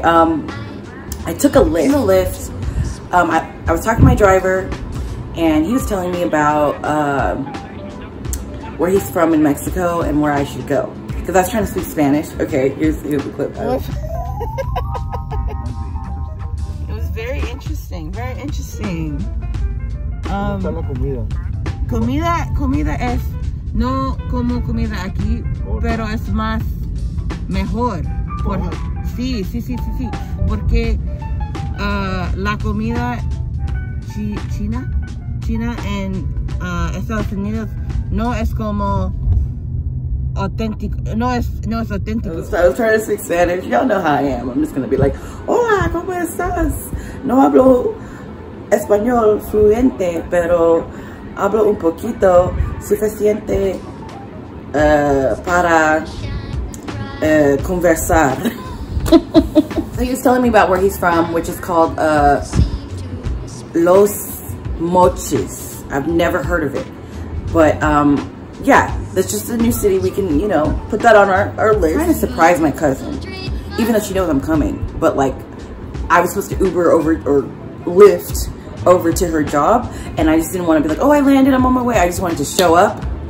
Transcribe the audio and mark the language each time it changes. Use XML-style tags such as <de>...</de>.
<en>I took a Lyft. I was talking to my driver and he was telling me about where he's from in Mexico and where I should go. Cause I was trying to speak Spanish. Okay, here's the clip. It was very interesting, very interesting.</en> <es>Comida es no como comida aquí, pero es más mejor. Sí. Porque la comida china en Estados Unidos no es como auténtico. No es auténtico.</es> <en>So I was trying to speak Spanish. Y'all know how I am. I'm just gonna be like,</en> <es>hola, ¿cómo estás? No hablo español fluente, pero hablo un poquito suficiente para conversar.</es> <en>So he was telling me about where he's from, which is called Los Mochis. I've never heard of it, but yeah, that's just a new city. We can, you know, put that on our list. I'm trying to surprise my cousin, even though she knows I'm coming, but like I was supposed to Uber over or Lyft over to her job, and I just didn't want to be like, oh, I landed, I'm on my way. I just wanted to show up.</en>